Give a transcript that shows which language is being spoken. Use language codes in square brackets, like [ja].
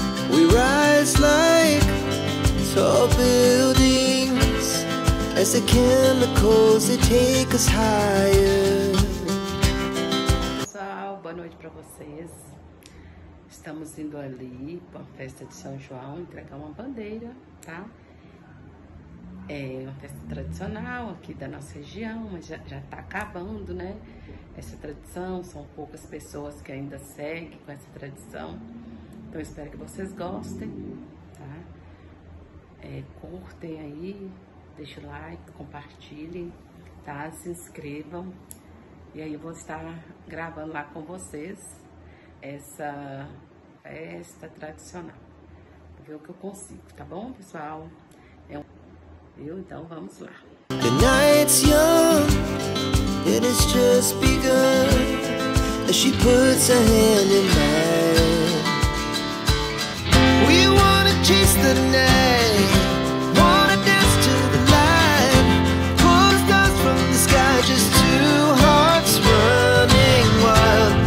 [en] We rise like tall buildings as the chemicals they take us higher. [pt] Pessoal, boa noite pra vocês. Estamos indo ali pra festa de São João entregar uma bandeira, tá? É uma festa tradicional aqui da nossa região, mas já tá acabando, né? Essa tradição, são poucas pessoas que ainda seguem com essa tradição. Então, espero que vocês gostem, tá? É, curtem aí, deixem o like, compartilhem, tá? Se inscrevam. E aí, eu vou estar gravando lá com vocês essa festa tradicional. Vou ver o que eu consigo, tá bom, pessoal? Então vamos lá. [en] The night's young, it has just begun, as she puts her hand in mine. We wanna chase the night, wanna dance to the light, pulls us from the sky, just two hearts running wild.